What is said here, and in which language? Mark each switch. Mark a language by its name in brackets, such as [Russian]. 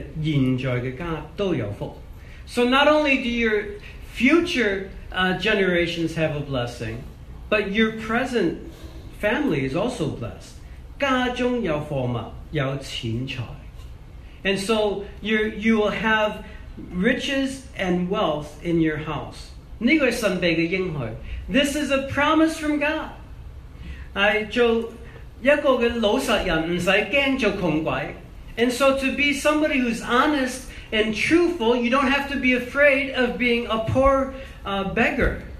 [Chinese] 所以做一个正直的人，不单止后代有祝福，你的现在的家都有福。 [English] So not only do your future generations have a blessing, but your present family is also blessed. [Chinese] 家中有货物，有钱财。 [English] And so you will have riches and wealth in your house. [Chinese] 这个是神秘的应许。 [English] This is a promise from God. [Chinese] 做一个老实人，不用怕做穷鬼。 [English] And so to be somebody who's honest and truthful, you don't have to be afraid of being a poor beggar.